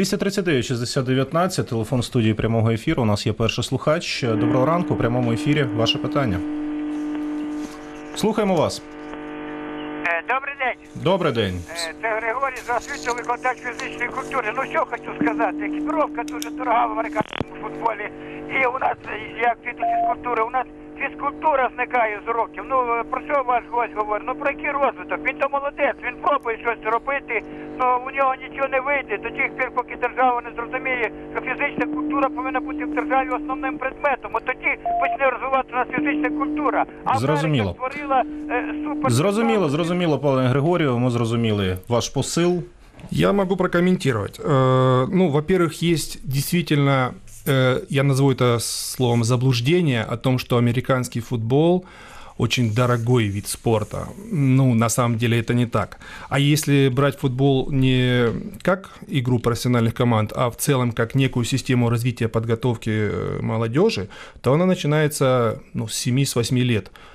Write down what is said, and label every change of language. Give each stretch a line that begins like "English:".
Ukrainian: 239-60-19, телефон студии прямого эфира, у нас есть первый слушач. Доброго ранку, в прямом эфире, ваше питання. Слухаємо вас.
Russian: Добрый день. Добрый день. Это Григорий, здравствуйте, вы контакт физической культуры. Ну, что хочу сказать, экипировка очень дорога в американском футболе. И у нас, я веду физкультуру, у нас физкультура
Ukrainian: зникає з років. Ну, про що ваш гость говорить? Ну, про який розвиток? Він то молодець, він пробує щось робити, але у нього нічого не вийде. До тих пір, поки держава не зрозуміє, що фізична культура повинна бути в державі основним предметом. От тоді почне розвиватися у нас фізична культура. А зрозуміло. Америка створила супер... Зрозуміло, зрозуміло, пане Григорію, ми зрозуміли ваш посил. Я можу прокоментувати. Ну,
Russian: во-первых,
Ukrainian: є дійсно...
Russian: Я назову это словом заблуждение о том, что американский футбол очень дорогой вид спорта. Ну, на самом деле это не так. А если брать футбол не как игру профессиональных команд, а в целом как некую систему развития подготовки молодежи, то она начинается ну, с 7-8 лет.